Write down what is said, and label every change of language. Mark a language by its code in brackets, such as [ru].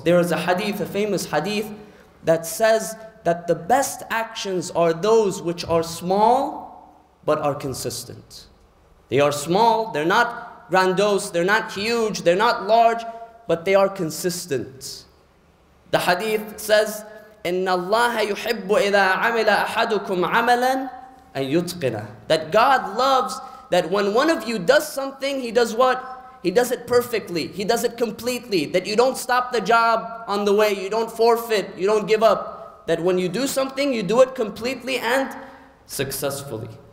[en] There is a hadith, a famous hadith, that says that the best actions are those which are small but are consistent. They are small, they're not grandiose, they're not huge, they're not large, but they are consistent. The hadith says, [ar] إِنَّ اللَّهَ يُحِبُّ إِذَا عَمِلَ أَحَدُكُمْ عَمَلًا أَن يُتْقِنَ. [en] That God loves that when one of you does something, he does what? He does it perfectly, he does it completely, that you don't stop the job on the way, you don't forfeit, you don't give up, that when you do something, you do it completely and successfully.